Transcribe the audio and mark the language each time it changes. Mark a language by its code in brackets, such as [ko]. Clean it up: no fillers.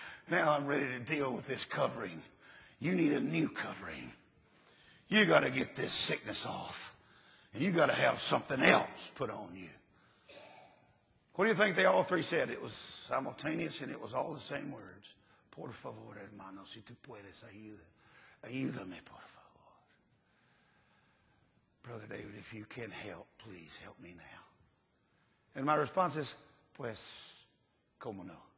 [en] Now I'm ready to deal with this covering. You need a new covering. You got to get this sickness off. And you got to have something else put on you. What do you think they all three said? It was simultaneous and it was all the same words. [es] Por favor, hermano, si tú puedes ayúdame, por favor. [en] Brother David, if you can help, please help me now. And my response is, [es] pues, ¿cómo no?